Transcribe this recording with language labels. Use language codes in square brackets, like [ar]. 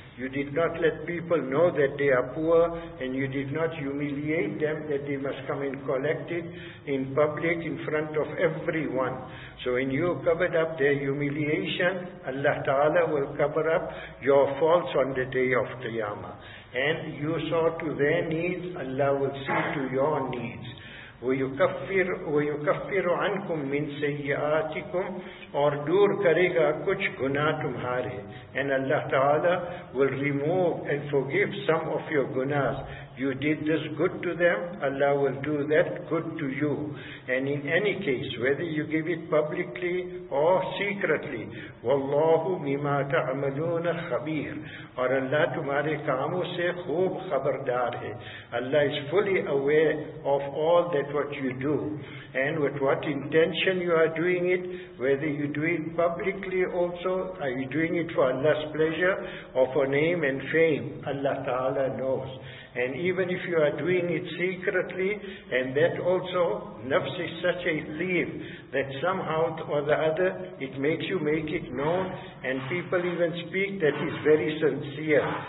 [en] You did not let people know that they are poor, and you did not humiliate them that they must come and collect it in public in front of everyone. So when you covered up their humiliation, Allah Ta'ala will cover up your faults on the day of Qiyamah. And you saw to their needs, Allah will see to your needs. [ar] وَيُكَفِّرُ عَنْكُمْ مِنْ سَيِّئَاتِكُمْ. [ur] اور دور کرے گا کچھ گناہ تمہارے. [en] And Allah Ta'ala will remove and forgive some of your gunas. You did this good to them, Allah will do that good to you. And in any case, whether you give it publicly or secretly, [ar] وَاللَّهُ مِمَا تَعْمَلُونَ خَبِيرٌ. [ur] اور اللہ تمہارے کاموں سے خوب خبردار ہے. [en] Allah is fully aware of all that what you do, and with what intention you are doing it, whether you do it publicly also, are you doing it for Allah's pleasure or for name and fame, Allah Ta'ala knows. And even if you are doing it secretly, and that also, nafs is such a thief that somehow or the other, it makes you make it known, and people even speak that he's very sincere.